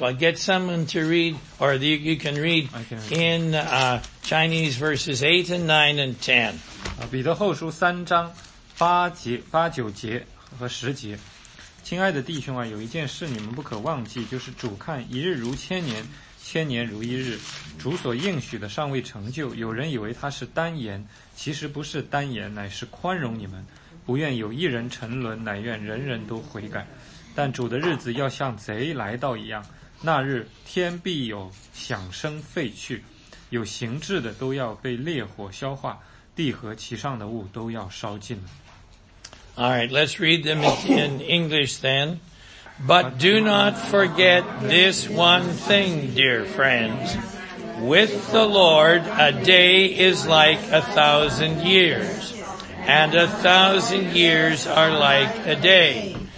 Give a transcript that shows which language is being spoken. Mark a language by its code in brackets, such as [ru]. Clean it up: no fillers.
[en] Well, get someone to read, or you can read in Chinese verses 8 and 9 and 10. [zh] 彼得后书三章八节、八九节和十节。亲爱的弟兄啊，有一件事你们不可忘记，就是主看一日如千年，千年如一日，主所应许的尚未成就，有人以为他是单言，其实不是单言，乃是宽容你们，不愿有一人沉沦，乃愿人人都悔改。但主的日子要像贼来到一样，那日天必有响声废去，有行智的都要被烈火消化，地和其上的物都要烧尽了。 [en] All right, let's read them in English then. But do not forget this one thing, dear friends. With the Lord, a day is like a thousand years, and a thousand years are like a day.